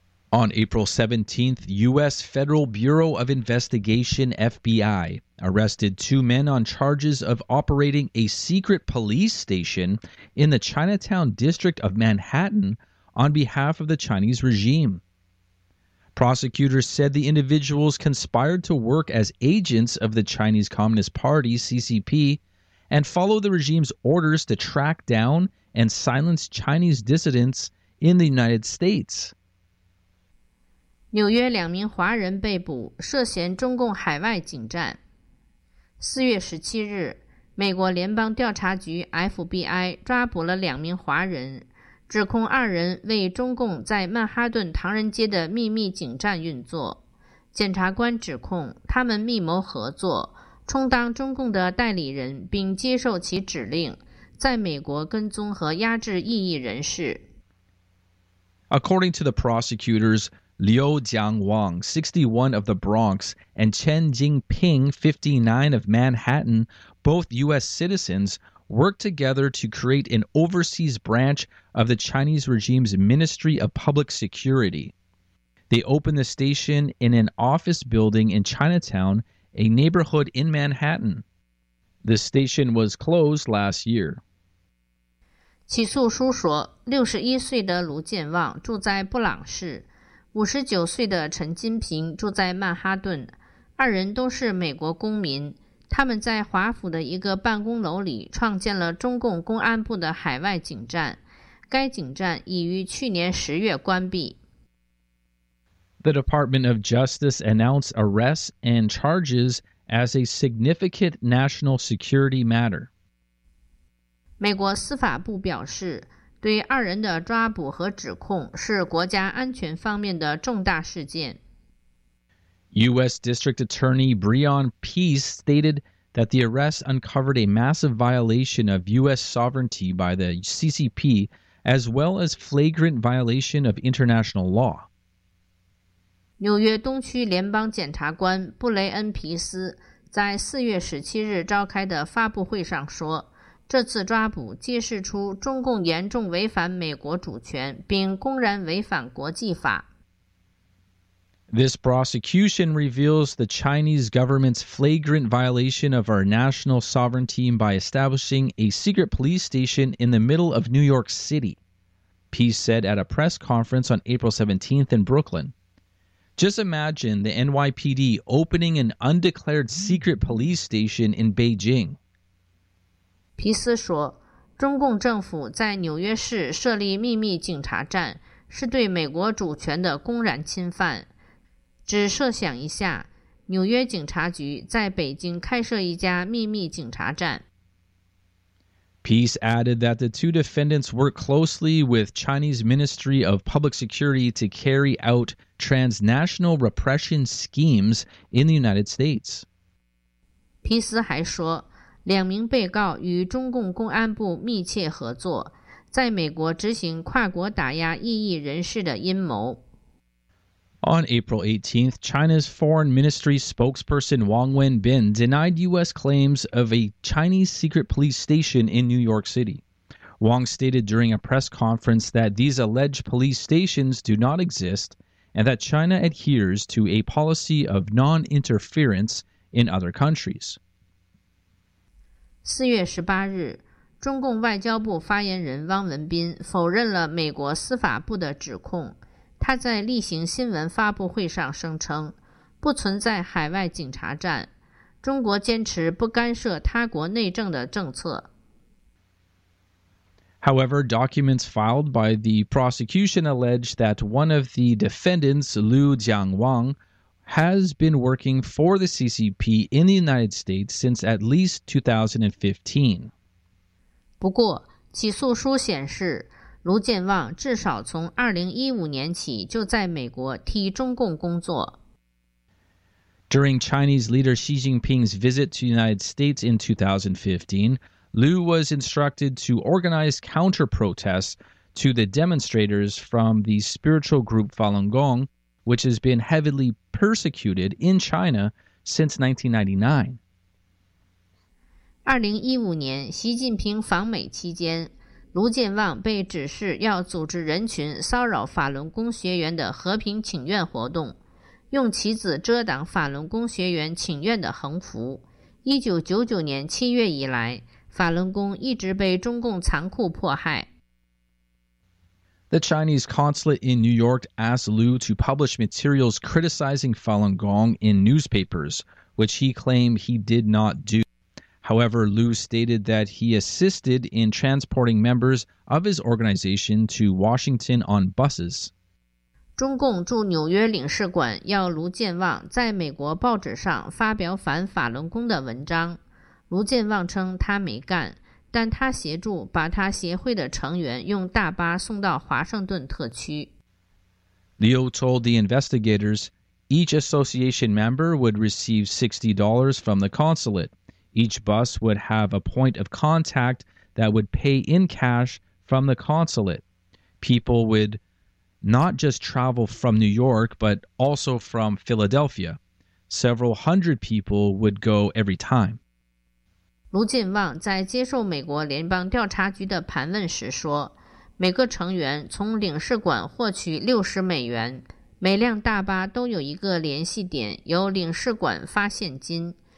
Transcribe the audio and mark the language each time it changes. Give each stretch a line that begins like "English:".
English: On April 17th, U.S. Federal Bureau of Investigation, FBI, arrested two men on charges of operating a secret police station in the Chinatown district of Manhattan on behalf of the Chinese regime. Prosecutors said the individuals conspired to work as agents of the Chinese Communist Party, CCP, and follow the regime's orders to track down and silence Chinese dissidents in the United States.
Chinese: 纽约两名华人被捕，涉嫌中共海外警战。 4月17日，美国联邦调查局 FBI 抓捕了两名华人，指控二人为中共在曼哈顿唐人街的秘密警站运作。检察官指控他们密谋合作，充当中共的代理人，并接受其指令，在美国跟踪和压制异议人士。
English: According to the prosecutors, Liu Jiangwang, 61, of the Bronx, and Chen Jingping, 59, of Manhattan, both U.S. citizens,worked together to create an overseas branch of the Chinese regime's Ministry of Public Security. They opened the station in an office building in Chinatown, a neighborhood in Manhattan. The station was closed last year.
Chinese: 起诉书说，61岁的卢建旺住在布朗市，59岁的陈金平住在曼哈顿，二人都是美国公民。他们在华府的一个办公楼里创建了中共公安部的海外警站，该警站已于去年十月关闭。
English: The Department of Justice announced arrests and charges as a significant national security matter.
Chinese: 美国司法部表示，对二人的抓捕和指控是国家安全方面的重大事件。
English: U.S. District Attorney Breon Peace stated that the arrest uncovered a massive violation of U.S. sovereignty by the CCP, as well as flagrant violation of international law.
Chinese: 纽约东区联邦检察官布雷恩·皮斯在4月17日召开的发布会上说，这次抓捕揭示出中共严重违反美国主权，并公然违反国际法。
English: This prosecution reveals the Chinese government's flagrant violation of our national sovereignty by establishing a secret police station in the middle of New York City, Peace said at a press conference on April 17th in Brooklyn. Just imagine the NYPD opening an undeclared secret police station in Beijing.
Chinese: 皮斯说，中共政府在纽约市设立秘密警察站是对美国主权的公然侵犯。只设想一下，纽约警察局在北京开设一家秘密警察站。
English: Peace added that the two defendants worked closely with Chinese Ministry of Public Security to carry out transnational repression schemes in the United States.
Chinese: 皮斯还说，两名被告与中共公安部密切合作，在美国执行跨国打压异议人士的阴谋。
English: On April 18th, China's foreign ministry spokesperson Wang Wenbin denied U.S. claims of a Chinese secret police station in New York City. Wang stated during a press conference that these alleged police stations do not exist and that China adheres to a policy of non-interference in other countries.
Chinese: 4月18日，中共外交部发言人汪文斌否认了美国司法部的指控。他在例行新闻发布会上声称，不存在海外警察站，中国坚持不干涉他国内政的政策。
English: However, documents filed by the prosecution allege that one of the defendants, Liu Jiangwang, has been working for the CCP in the United States since at least 2015.
Chinese: 不过，起诉书显示，卢建旺至少从2015年起就在美国替中共工作。
English: During Chinese leader Xi Jinping's visit to the United States in 2015, Liu was instructed to organize counter-protests to the demonstrators from the spiritual group Falun Gong, which has been heavily persecuted in China since 1999.
Chinese: 2015年习近平访美期间，卢建旺被指示要组织人群骚扰法轮功学员的和平请愿活动，用旗子遮挡法轮功学员请愿的横幅。 1999年7月以来，法轮功一直被中共残酷迫害。
English: The Chinese consulate in New York asked Liu to publish materials criticizing Falun Gong in newspapers, which he claimed he did not do. However, Liu stated that he assisted in transporting members of his organization to Washington on buses.
Chinese: 中共驻纽约领事馆要卢建旺在美国报纸上发表反法轮功的文章。卢建旺称他没干。但他协助把他协会的成员用大巴送到华盛顿特区。
English: Liu told the investigators, each association member would receive $60 from the consulate. Each bus would have a point of contact that would pay in cash from the consulate. People would not just travel from New York, but also from Philadelphia. Several hundred people would go every time.
Chinese: 卢建旺在接受美国联邦调查局的盘问时说，每个成员从领事馆获取60美元，每辆大巴都有一个联系点，由领事馆发现金。